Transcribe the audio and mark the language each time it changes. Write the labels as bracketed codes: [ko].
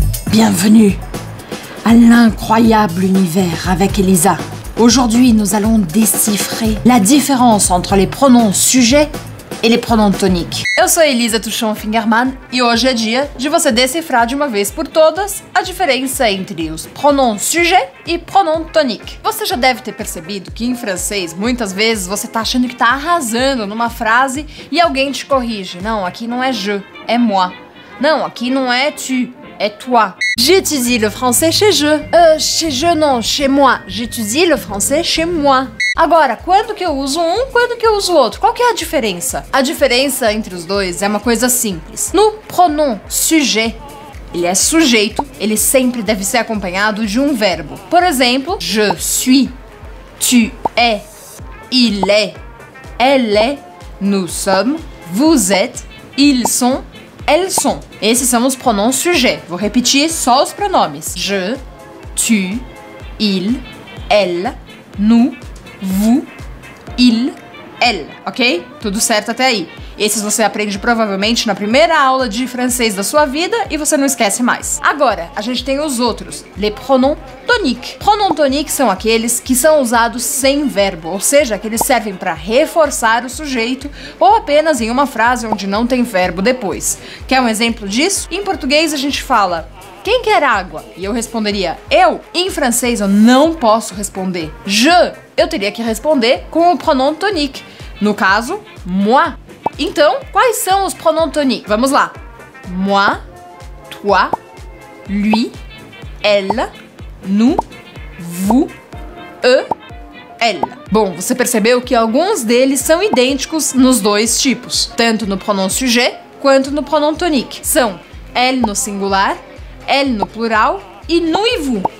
[fr] Bienvenue à l'incroyable univers avec Elisa. Aujourd'hui, nous allons déchiffrer la différence entre les pronoms sujet [pt] e os pronomes tônicos. Eu sou a Elisa Tuchon Fingerman e hoje é dia de você decifrar de uma vez por todas a diferença entre os pronomes sujet e pronomes tônicos. Você já deve ter percebido que em francês, muitas vezes, você tá achando que tá arrasando numa frase e alguém te corrige. Não, aqui não é je, é moi. Não, aqui não é tu, é toi. [fr] J'étudie le français chez je. Chez je non, chez moi. J'étudie le français chez moi. [pt] Agora, quando que eu uso um, quando que eu uso o outro? Qual que é a diferença? A diferença entre os dois é uma coisa simples. No pronom sujet, ele é sujeito, ele sempre deve ser acompanhado de um verbo. Por exemplo, [fr] je suis, tu es, il est, elle est, nous sommes, vous êtes, ils sont, elles sont. [pt] Esses são os pronoms sujet. Vou repetir só os pronomes. [fr] Je, tu, il, elle, nous, vous, il, elle, ok? [pt] Tudo certo até aí. Esses você aprende provavelmente na primeira aula de francês da sua vida e você não esquece mais. Agora, a gente tem os outros, les pronoms toniques. Pronoms toniques são aqueles que são usados sem verbo, ou seja, que eles servem para reforçar o sujeito ou apenas em uma frase onde não tem verbo depois. Quer um exemplo disso? Em português a gente fala, quem quer água? E eu responderia, eu? Em francês eu não posso responder, je. Eu teria que responder com o pronom tonique, no caso, moi. Então, quais são os pronoms toniques? Vamos lá. [fr] Moi, toi, lui, elle, nous, vous, eux, elle. [pt] Bom, você percebeu que alguns deles são idênticos nos dois tipos, tanto no pronom sujet quanto no pronom tonique. São elle no singular, elle no plural e nous e vous.